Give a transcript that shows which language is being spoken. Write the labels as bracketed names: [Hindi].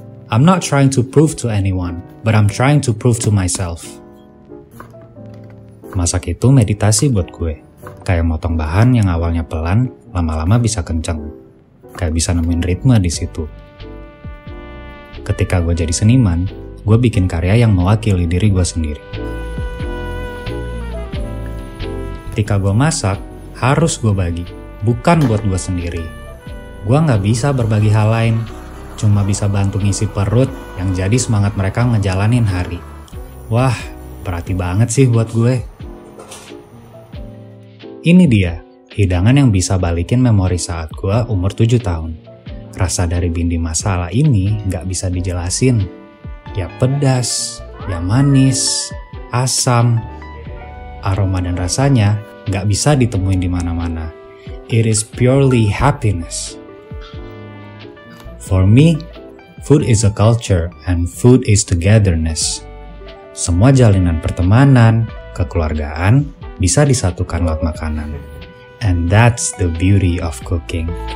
[English] I'm not trying to prove to anyone, but I'm trying to prove to myself. [Indonesian] Masak itu meditasi buat gue. Kayak motong bahan yang awalnya pelan, lama-lama bisa kenceng. Kayak bisa nemuin ritme di situ. Ketika gue jadi seniman, gue bikin karya yang mewakili diri gue sendiri. Ketika gue masak, harus gue bagi, bukan buat gue sendiri. Gue gak bisa berbagi hal lain, cuma bisa bantu ngisi perut yang jadi semangat mereka ngejalanin hari. Wah, berarti banget sih buat gue. Ini dia, hidangan yang bisa balikin memori saat gue umur 7 tahun. Rasa dari Bindi Masala ini gak bisa dijelasin. Ya pedas, ya manis, asam. Aroma dan rasanya gak bisa ditemuin di mana-mana. [English] It is purely happiness. For me, food is a culture and food is togetherness. [Indonesian] Semua jalinan pertemanan, kekeluargaan, bisa disatukan lewat makanan. [English] And that's the beauty of cooking.